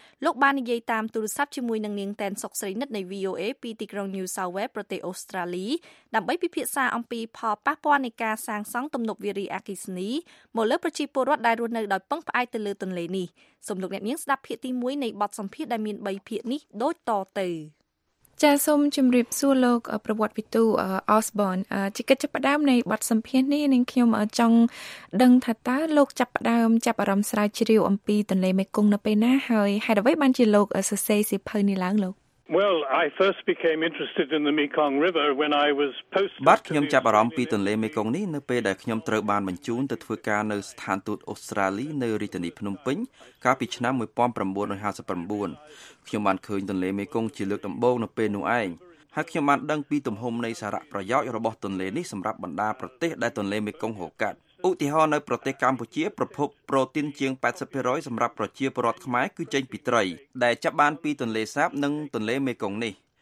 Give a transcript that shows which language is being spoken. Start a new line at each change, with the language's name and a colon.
Khmer: លោកបាននិយាយតាមទូរស័ព្ទជាមួយនឹងនាងតែនសុកស្រីនិតនៃ VOA ពីទីក្រុង New South Wales ប្រទេសអូស្ត្រាលីដើម្បីពិភាក្សាអំពីផលប៉ះពាល់នៃការសាងសង់ទំនប់វារីអគ្គិសនីមកលើប្រជាពលរដ្ឋដែលរស់នៅដោយពឹងផ្អែកទៅលើទន្លេនេះសូមលោកអ្នកនាងស្ដាប់ភាគទី1នៃបទសម្ភាសន៍ដែលមាន3ភាគនេះដូចតទៅ ចាសសូមជម្រាបសួរលោកប្រវត្តិវិទូ Osborne ជាកិច្ចចាប់ផ្ដើមនៃបទសម្ភាសន៍នេះនឹងខ្ញុំចង់ដឹងថាតើលោកចាប់ផ្ដើមចាប់អារម្មណ៍ស្រាវជ្រាវអំពីទន្លេមេគង្គនៅពេលណាហើយហេតុអ្វីបានជាលោកសរសេរសៀវភៅនេះឡើងលោក
English: Well, I first became interested in the Mekong River when I was posted.
Khmer: បាទខ្ញុំចាប់អារម្មណ៍ពីទន្លេមេគង្គនេះនៅពេលដែលខ្ញុំត្រូវបានបញ្ជូនទៅធ្វើការនៅស្ថានទូតអូស្ត្រាលីនៅរាជធានីភ្នំពេញកាលពីឆ្នាំ1959ខ្ញុំបានឃើញទន្លេមេគង្គជាលើកដំបូងនៅពេលនោះឯងហើយខ្ញុំបានដឹងពីទំហំនៃសារៈប្រយោជន៍របស់ទន្លេនេះសម្រាប់បណ្ដាប្រទេសដែលទន្លេមេគង្គហូរកាត់ឧទាហរណ៍នៅប្រទេសកម្ពុជាប្រភពប្រូតេអ៊ីនជាង 80% សម្រាប់ប្រជាពលរដ្ឋខ្មែរគឺចេញពីត្រីដែលចាប់បានពីទន្លេសាបនិងទន្លេមេគង្គនេះ